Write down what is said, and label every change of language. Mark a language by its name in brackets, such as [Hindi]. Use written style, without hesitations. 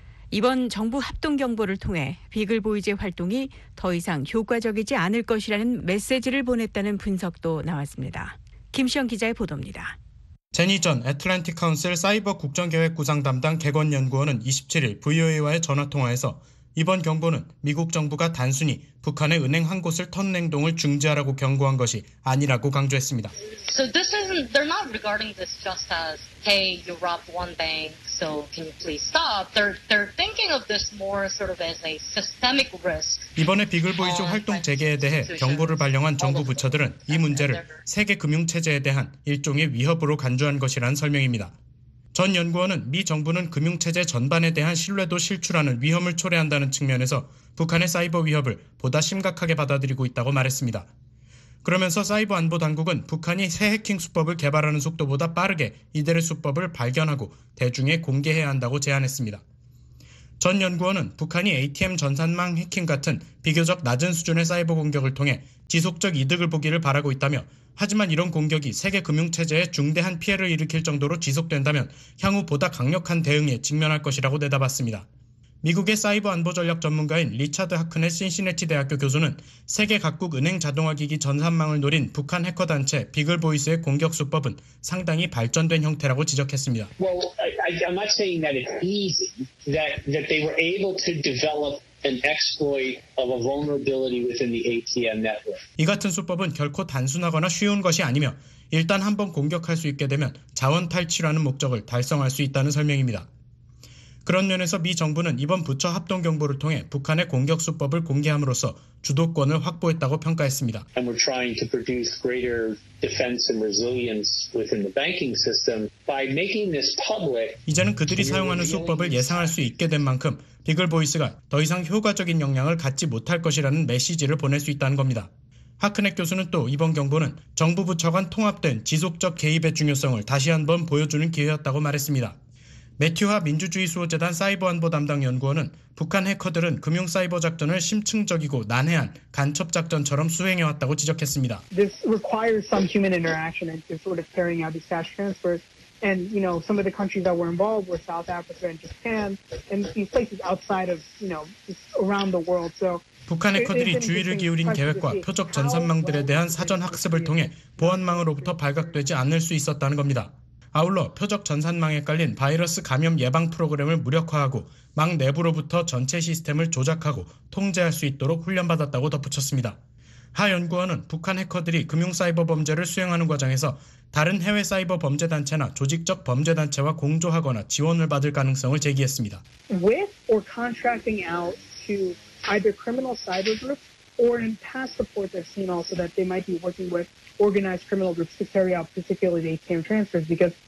[Korean] 이번 정부 합동경보를 통해 비글보이즈의 활동이 더 이상 효과적이지 않을 것이라는 메시지를 보냈다는 분석도 나왔습니다. 김시영 기자의 보도입니다. 제니 전 애틀랜틱 카운슬 사이버 국정계획 구상 담당 객원연구원은 27일 VOA와의 전화통화에서 이번 경보는 미국 정부가 단순히 북한의 은행 한 곳을 터는 행동을 중지하라고 경고한 것이 아니라고 강조했습니다. [English] So this isn't, they're not regarding this just as, hey, you robbed one bank, so can you please stop? They're thinking of this more sort of as a systemic risk. [Korean] 이번에 비글보이즈 활동 재개에 대해 경고를 발령한 정부 부처들은 이 문제를 세계 금융체제에 대한 일종의 위협으로 간주한 것이라는 설명입니다. 전 연구원은 미 정부는 금융체제 전반에 대한 신뢰도 실추라는 위험을 초래한다는 측면에서 북한의 사이버 위협을 보다 심각하게 받아들이고 있다고 말했습니다. 그러면서 사이버 안보 당국은 북한이 새 해킹 수법을 개발하는 속도보다 빠르게 이들의 수법을 발견하고 대중에 공개해야 한다고 제안했습니다. 전 연구원은 북한이 ATM 전산망 해킹 같은 비교적 낮은 수준의 사이버 공격을 통해 지속적 이득을 보기를 바라고 있다며 하지만 이런 공격이 세계 금융체제에 중대한 피해를 일으킬 정도로 지속된다면 향후 보다 강력한 대응에 직면할 것이라고 내다봤습니다. 미국의 사이버 안보 전략 전문가인 리차드 하크네 신시내티 대학교 교수는 세계 각국 은행 자동화기기 전산망을 노린 북한 해커 단체 비글보이스의 공격 수법은 상당히 발전된 형태라고 지적했습니다. [English] Well, I'm not saying that it's easy, that they were able to develop an exploit of a vulnerability within the ATM network. [Korean] 이 같은 수법은 결코 단순하거나 쉬운 것이 아니며 일단 한번 공격할 수 있게 되면 자원 탈취라는 목적을 달성할 수 있다는 설명입니다. 그런 면에서 미 정부는 이번 부처 합동 경보를 통해 북한의 공격 수법을 공개함으로써 주도권을 확보했다고 평가했습니다. [English] And we're trying to produce greater defense and resilience within the banking system by making this public. [Korean] 이제는 그들이 사용하는 수법을 예상할 수 있게 된 만큼 비글보이스가 더 이상 효과적인 영향을 갖지 못할 것이라는 메시지를 보낼 수 있다는 겁니다. 하크네 교수는 또 이번 경보는 정부 부처 간 통합된 지속적 개입의 중요성을 다시 한번 보여주는 기회였다고 말했습니다. 매튜화 민주주의 수호재단 사이버 안보 담당 연구원은 북한 해커들은 금융 사이버 작전을 심층적이고 난해한 간첩 작전처럼 수행해 왔다고 지적했습니다. [English] This requires some human interaction and sort of carrying out these cash transfers. And you know, some of the countries that were involved were South Africa and Japan and these places outside of, you know, around the world. So [Korean] 북한 해커들이 주의를 기울인 계획과 표적 전산망들에 대한 사전 학습을 통해 보안망으로부터 발각되지 않을 수 있었다는 겁니다. 아울러 표적 전산망에 깔린 바이러스 감염 예방 프로그램을 무력화하고 망 내부로부터 전체 시스템을 조작하고 통제할 수 있도록 훈련받았다고 덧붙였습니다. 하 연구원은 북한 해커들이 금융 사이버 범죄를 수행하는 과정에서 다른 해외 사이버 범죄 단체나 조직적 범죄 단체와 공조하거나 지원을 받을 가능성을 제기했습니다. [English] With or contracting out to either criminal cyber group or in past support they've seen also that they might be working with organized criminal groups to carry out particularly ATM transfers because